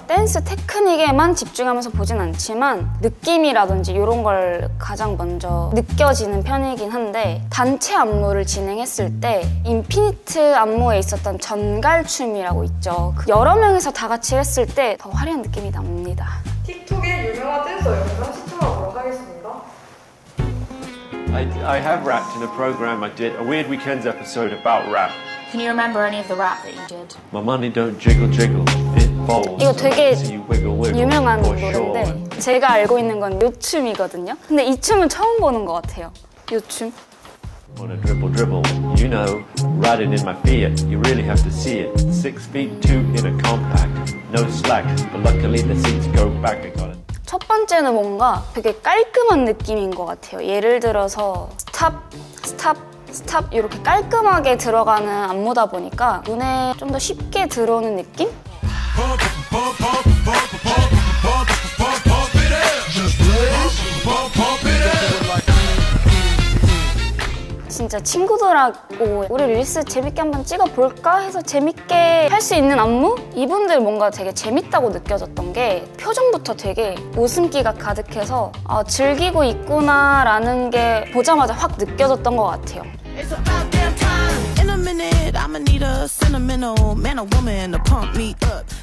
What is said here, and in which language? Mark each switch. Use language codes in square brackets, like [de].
[ko] 댄스 테크닉에만 집중하면서 보진 않지만 느낌이라든지 이런 걸 가장 먼저 느껴지는 편이긴 한데 단체 안무를 진행했을 때 인피니트 안무에 있었던 전갈춤이라고 있죠. 그 여러 명이서 다 같이 했을 때 더 화려한 느낌이 납니다. 틱톡의 유명한 댄서 영상 시청하도록 하겠습니다. [en] I have rapped in a program I did, a Weird Weekends episode about rap. Can you remember any of the rap that you did? My money don't jiggle jiggle, it falls. [ko] 이거 되게 유명한 노래인데 제가 알고 있는 건 요 춤이거든요. 근데 이 춤은 처음 보는 것 같아요. 요 춤. [en] Wanna dribble dribble, you know, riding in my Fiat, you really have to see it. 6'2" in a compact, no slack, but luckily the seats go back, I got it. [ko] 첫 번째는 뭔가 되게 깔끔한 느낌인 것 같아요. 예를 들어서 스탑, 스탑, 스탑 이렇게 깔끔하게 들어가는 안무다 보니까 눈에 좀 더 쉽게 들어오는 느낌? 진짜 친구들하고 우리 릴스 재밌게 한번 찍어볼까 해서 재밌게 할 수 있는 안무? 이분들 뭔가 되게 재밌다고 느껴졌던 게 표정부터 되게 웃음기가 가득해서 아, 즐기고 있구나 라는 게 보자마자 확 느껴졌던 것 같아요. [en] It's about damn time. In a minute, I'ma need a sentimental man or woman to pump me up.